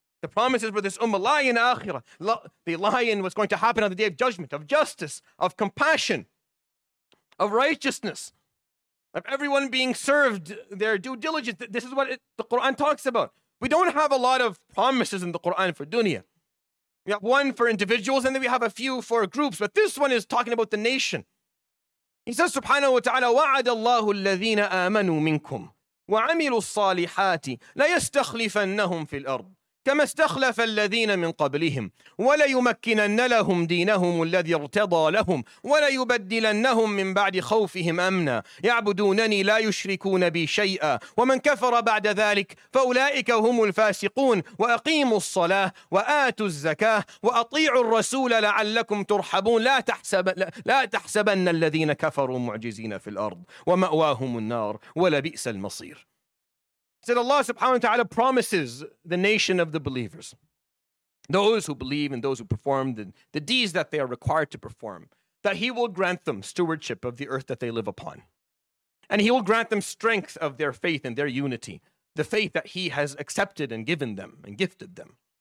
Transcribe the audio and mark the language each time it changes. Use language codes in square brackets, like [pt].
[en] The promises for this ummah lie in akhirah. They lie in what's going to happen on the day of judgment, of justice, of compassion, of righteousness. Of everyone being served their due diligence. This is what the Quran talks about. We don't have a lot of promises in the Quran for dunya. We have one for individuals and then we have a few for groups. But this one is talking about the nation. He says, [ar] subhanahu wa ta'ala, وَعَدَ اللَّهُ الَّذِينَ آمَنُوا مِنْكُمْ وَعَمِلُوا الصَّالِحَاتِ لَيَسْتَخْلِفَنَّهُمْ فِي الْأَرْضِ كما استخلف الذين من قبلهم ولا يمكنن لهم دينهم الذي ارتضى لهم ولا يبدلنهم من بعد خوفهم أمنا يعبدونني لا يشركون بي شيئا ومن كفر بعد ذلك فأولئك هم الفاسقون وأقيموا الصلاة وآتوا الزكاة وأطيعوا الرسول لعلكم ترحبون لا تحسبن الذين كفروا معجزين في الأرض ومأواهم النار ولبئس المصير. [en] Said Allah subhanahu wa ta'ala promises the nation of the believers, those who believe and those who perform the deeds that they are required to perform, that He will grant them stewardship of the earth that they live upon. And He will grant them strength of their faith and their unity, the faith that He has accepted and given them and gifted them.